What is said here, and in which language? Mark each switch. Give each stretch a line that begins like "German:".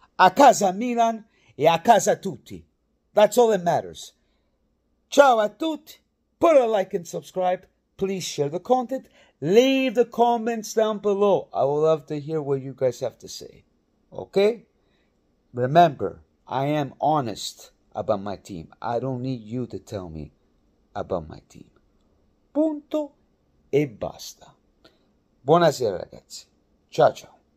Italian: A casa Milan e a casa tutti.
English: That's all that matters.
Italian: Ciao a tutti.
English: Put a like and subscribe. Please share the content. Leave the comments down below. I would love to hear what you guys have to say. Okay? Remember, I am honest about my team. I don't need you to tell me about my team.
Italian: Punto e basta. Buonasera ragazzi. Ciao ciao.